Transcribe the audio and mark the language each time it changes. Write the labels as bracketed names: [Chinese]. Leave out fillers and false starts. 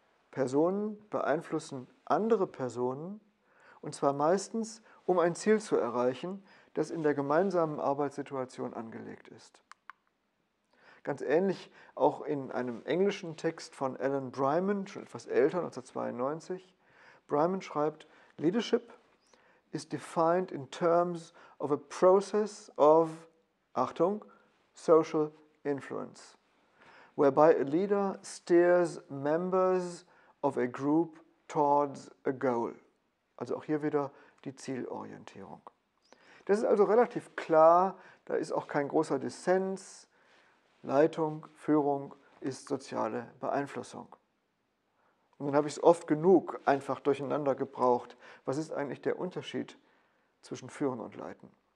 [German] Personen beeinflussen andere Personen und zwar meistens, um ein Ziel zu erreichen, das in der gemeinsamen Arbeitssituation angelegt ist. Ganz ähnlich auch in einem englischen Text von Alan Bryman, schon etwas älter, 1992. Bryman schreibt: [English] Leadership is defined in terms of a process of, [German] Achtung, [English] social influence, whereby a leader steers members of a group towards a goal. [German] Also auch hier wieder die Zielorientierung. Das ist also relativ klar, da ist auch kein großer Dissens. Leitung, Führung ist soziale Beeinflussung. Und dann habe ich es oft genug einfach durcheinander gebraucht. Was ist eigentlich der Unterschied zwischen Führen und Leiten?